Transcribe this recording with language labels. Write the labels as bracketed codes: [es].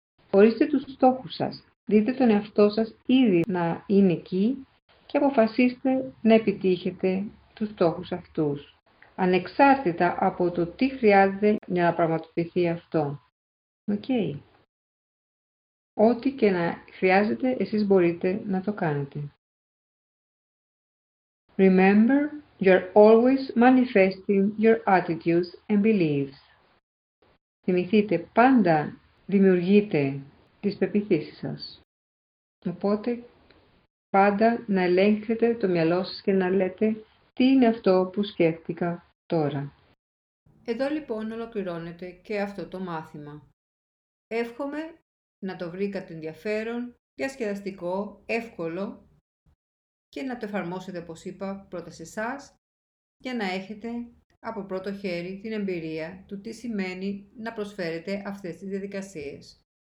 [el] Ορίστε τους στόχους σας. Δείτε τον εαυτό σας ήδη να είναι εκεί και αποφασίστε να επιτύχετε τους στόχους αυτούς, ανεξάρτητα από το τι χρειάζεται για να πραγματοποιηθεί αυτό. Okay. Ό,τι και να χρειάζεται, εσείς μπορείτε να το κάνετε. [en] Remember, you're always manifesting your attitudes and beliefs. [el] Θυμηθείτε, πάντα δημιουργείτε τις πεποιθήσεις σας. Οπότε, πάντα να ελέγχετε το μυαλό σας και να λέτε τι είναι αυτό που σκέφτηκα τώρα. Εδώ λοιπόν ολοκληρώνεται και αυτό το μάθημα. Εύχομαι να το βρήκατε ενδιαφέρον, διασκεδαστικό, εύκολο και να το εφαρμόσετε, όπως είπα, πρώτα σε εσάς για να έχετε από πρώτο χέρι την εμπειρία του τι σημαίνει να προσφέρετε αυτές τις διαδικασίες.